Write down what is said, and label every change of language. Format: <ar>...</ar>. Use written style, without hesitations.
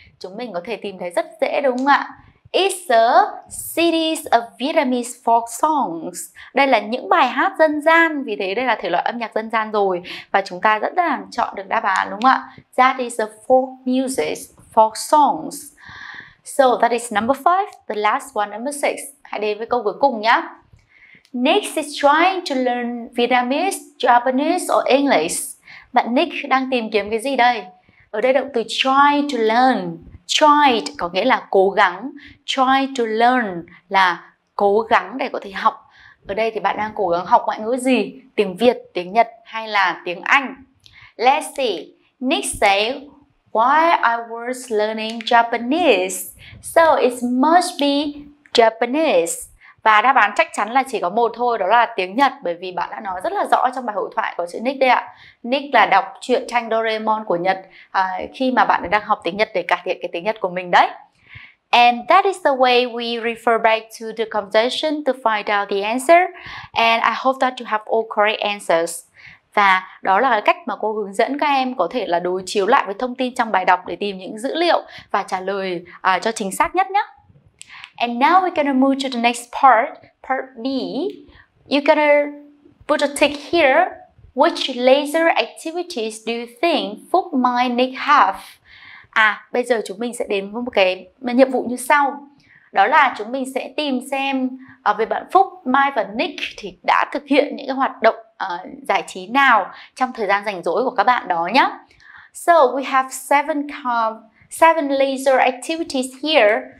<vi>chúng mình có thể tìm thấy rất dễ đúng không ạ?</vi> <en>It's a series of Vietnamese folk songs.</en> <vi>Đây là những bài hát dân gian, vì thế đây là thể loại âm nhạc dân gian rồi. Và chúng ta rất là chọn được đáp án đúng không ạ?</vi> <en>That is a folk music, folk songs. So that is number 5, the last one, number 6.</en> <vi>Hãy đến với câu cuối cùng nhé.</vi> <en>Nick is trying to learn Vietnamese, Japanese or English.</en> <vi>Bạn Nick đang tìm kiếm cái gì đây? Ở đây động từ try to learn. Tried có nghĩa là cố gắng. Try to learn là cố gắng để có thể học. Ở đây thì bạn đang cố gắng học ngoại ngữ gì? Tiếng Việt, tiếng Nhật hay là tiếng Anh?</vi> <en>Let's see. Nick say, while I was learning Japanese, so it must be Japanese.</en> <vi>Và đáp án chắc chắn là chỉ có một thôi, đó là tiếng Nhật, bởi vì bạn đã nói rất là rõ trong bài hội thoại của chữ Nick đây ạ. Nick là đọc truyện tranh Doraemon của Nhật khi mà bạn đang học tiếng Nhật để cải thiện cái tiếng Nhật của mình đấy.</vi> <en>And that is the way we refer back to the conversation to find out the answer. And I hope that you have all correct answers.</en> <vi>Và đó là cách mà cô hướng dẫn các em có thể là đối chiếu lại với thông tin trong bài đọc để tìm những dữ liệu và trả lời cho chính xác nhất nhé.</vi> <en>And now we're gonna move to the next part, part B. You're gonna put a tick here. Which leisure activities do you think Phúc, Mai, Nick have?</en> <vi>À, bây giờ chúng mình sẽ đến với một cái nhiệm vụ như sau. Đó là chúng mình sẽ tìm xem về bạn Phúc, Mai và Nick thì đã thực hiện những cái hoạt động giải trí nào trong thời gian rảnh rỗi của các bạn đó nhé.</vi> <en>So we have seven leisure activities here.</en>